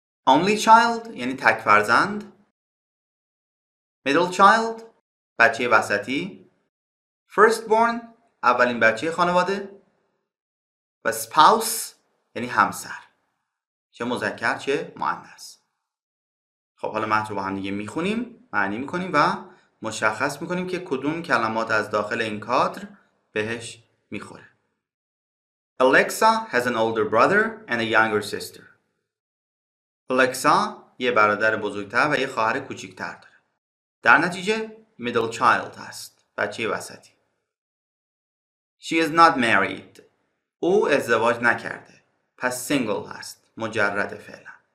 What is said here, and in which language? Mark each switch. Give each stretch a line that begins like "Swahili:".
Persian: Only child یعنی تک فرزند، middle child بچه وسطی، firstborn اولین بچه خانواده، و spouse یعنی همسر، چه مذکر چه مؤنث. خب حالا متن رو با هم دیگه میخونیم، معنی میکنیم و مشخص میکنیم که کدوم کلمات از داخل این کادر بهش میخوره.
English: Alexa has an older brother and a younger sister.
Persian: Alexa یه برادر بزرگتر و یه خواهر کوچیکتر داره. در نتیجه middle child هست، بچه وسطی.
English: She is not married،
Persian: او ازدواج نکرده، پس single هست، مجرد فعلا.